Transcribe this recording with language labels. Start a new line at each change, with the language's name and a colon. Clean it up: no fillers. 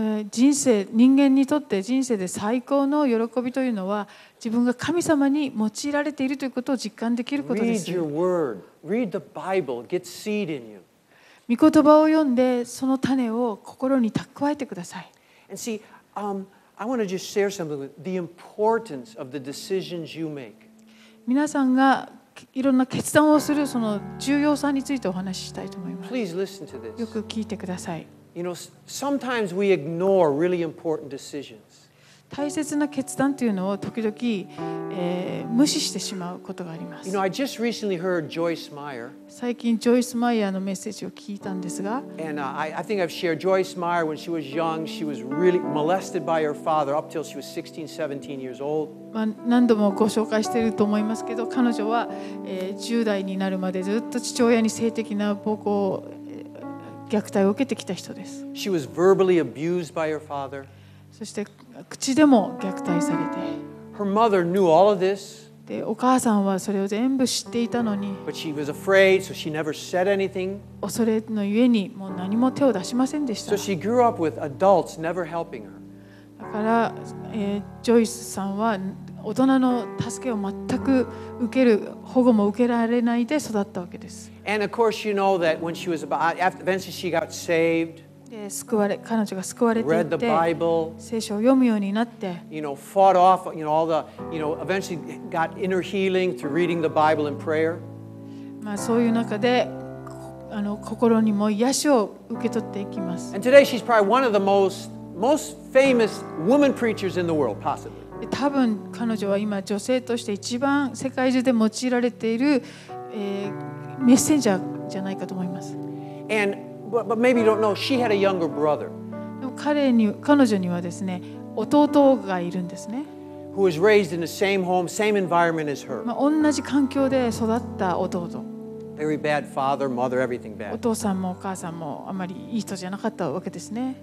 Japanese: 人生、人間にとって人生で最高の喜びというのは、自分が神様に用いられているということを実感できることです。
English: Read your word. Read the Bible. Get seed in you.
Japanese: 御言葉を読んで、その種を心に蓄えてください。
English: And see, I want to just share something with you. The importance of the decisions you make.
Japanese: 皆さんがいろんな決断をするその重要さについてお話ししたいと思います。
English: Please listen to this.
Japanese: よく聞いてください。
English: You know, sometimes we ignore really important decisions.
Japanese: 大切な決断というのを時々、無視してしまうことがあります。
English: You know, I just recently heard Joyce Meyer.
Japanese: 最近 Joyce Meyer のメッセージを聞いたんですが、
English: And I think I've shared Joyce Meyer when she was young. She was really molested by her father up till she was 16, 17 years old.
Japanese: 何度もご紹介していると思いますけど、彼女は、10代になるまでずっと父親に性的な暴行、虐待を受けてきた人です。
English: She was verbally abused by her father.
Japanese: そして口でも虐待されて、
English: Her mother knew all of this.
Japanese: で、お母さんはそれを全部知っていたのに、
English: But she was afraid, so she never said anything.
Japanese: 恐れのゆえにもう何も手を出しませんでした。
English: So she grew up with adults never helping her.
Japanese: だから、ジョイスさんは大人の助けを全く受ける、保護も受けられないで育ったわけです。
English: And of course you know that when she was about, after, eventually she got saved.
Japanese: 彼女が救われていって、聖書を読むようになって、
English: you know, fought off, you know, all the, you know, eventually got inner healing through reading the Bible and prayer.
Japanese: まあそういう中で、心にも癒しを受け取っていきます。
English: And today she's probably one of the most famous woman preachers in the world, possibly.
Japanese: 多分彼女は今女性として一番世界中で用いられている、メッセンジャーじゃないかと思います。
English: And But maybe you don't know, she had a younger brother.
Japanese: 彼女にはですね、弟がいるんですね。
English: Who was raised in the same home, same environment as her.
Japanese: 同じ環境で育った弟。
English: Very bad father, mother, everything bad.
Japanese: お父さんもお母さんもあまりいい人じゃなかったわけですね。